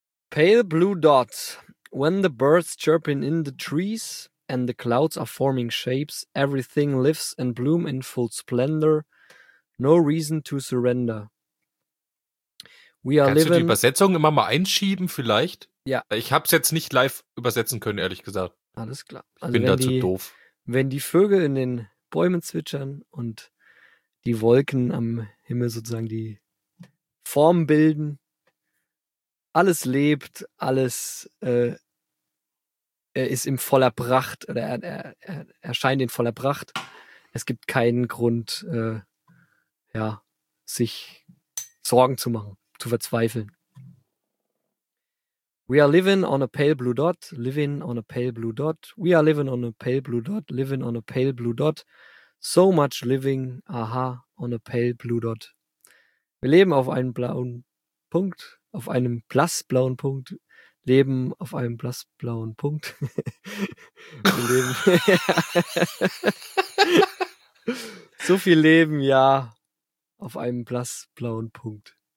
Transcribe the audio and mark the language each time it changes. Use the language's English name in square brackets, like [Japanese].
[English] Pale blue dot, when the birds chirping in the trees and the clouds are forming shapes, everything lives and bloom in full splendor, no reason to surrender. We are living. [German] Kannst du die Übersetzung immer mal einschieben vielleicht? Ja. Ich habe es jetzt nicht live übersetzen können, ehrlich gesagt. Alles klar. Also ich bin da zu doof. Wenn die Vögel in den Bäumen zwitschern und die Wolken am Himmel sozusagen die Form bilden, alles lebt, alles ist in voller Pracht oder erscheint in voller Pracht. Es gibt keinen Grund, sich Sorgen zu machen, zu verzweifeln. [English] We are living on a pale blue dot, living on a pale blue dot. We are living on a pale blue dot, living on a pale blue dot. So much living, aha, on a pale blue dot. [German] Wir leben auf einem blauen Punkt. Auf einem blassblauen Punkt leben, auf einem blassblauen Punkt leben. So viel leben, ja, auf einem blassblauen Punkt.